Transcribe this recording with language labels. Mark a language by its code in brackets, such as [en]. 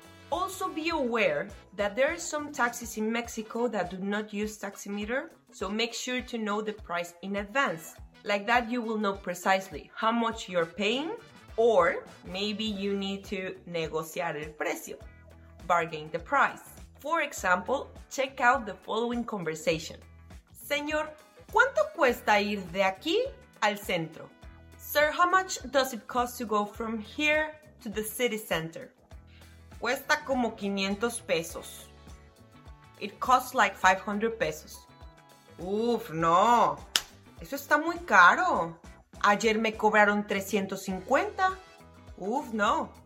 [en] Also be aware that there are some taxis in Mexico that do not use taximeter, so make sure to know the price in advance. Like that you will know precisely how much you're paying, or maybe you need to [es] negociar el precio, [en] bargain the price. For example, check out the following conversation. [es] Señor, ¿cuánto cuesta ir de aquí al centro? [en] Sir, how much does it cost to go from here to the city center? [es] Cuesta como 500 pesos. [en] It costs like 500 pesos. [es] Uf, no. Eso está muy caro. Ayer me cobraron 350. Uf, no.